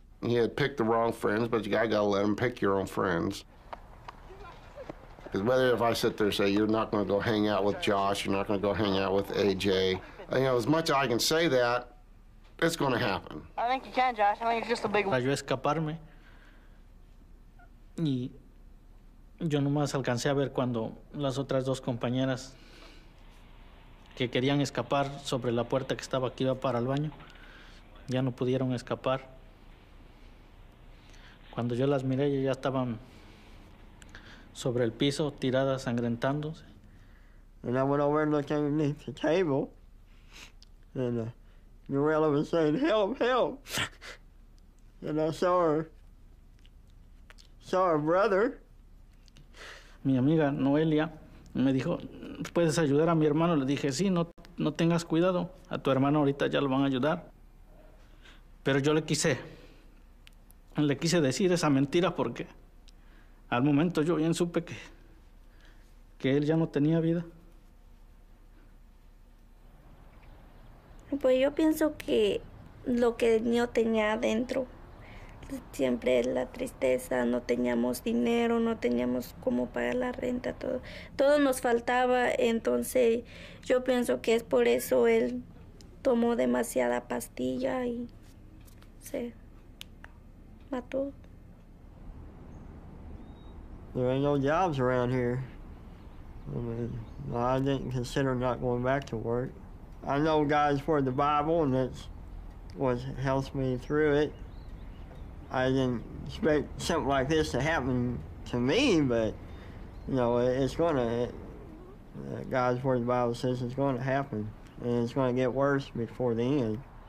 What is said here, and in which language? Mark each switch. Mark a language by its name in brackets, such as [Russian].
[English] He had picked the wrong friends, but you gotta let him pick your own friends. Because whether if I sit there and say, you're not gonna go hang out with Josh, you're not gonna go hang out with AJ, you know, as much as I can say that, it's going to happen. I think you can, Josh. I think it's just a big one. [Spanish] Para yo escaparme, y yo nomás alcancé a ver cuando las otras dos compañeras que querían escapar sobre la puerta que estaba aquí para el baño, ya no pudieron escapar. Cuando yo las miré, ya estaban sobre el piso, tiradas, sangrentándose. [English] And I went over and looked underneath the table. And Mirella was saying, help, help. And I saw her brother. [Spanish] Mi amiga Noelia me dijo, ¿puedes ayudar a mi hermano? Le dije, sí, no tengas cuidado. A tu hermano ahorita ya lo van a ayudar. Pero yo le quise decir esa mentira porque al momento yo bien supe que él ya no tenía vida. Pues yo pienso que lo que yo tenía adentro siempre es la tristeza, no teníamos dinero, no teníamos cómo pagar la renta, todo nos faltaba, entonces yo pienso que es por eso él tomó demasiada pastilla y se mató. [English] There ain't no jobs around here. I mean, I didn't consider not going back to work. I know God's word, the Bible, and that's what helps me through it. I didn't expect something like this to happen to me, but, you know, God's word, the Bible says it's going to happen, and it's going to get worse before the end.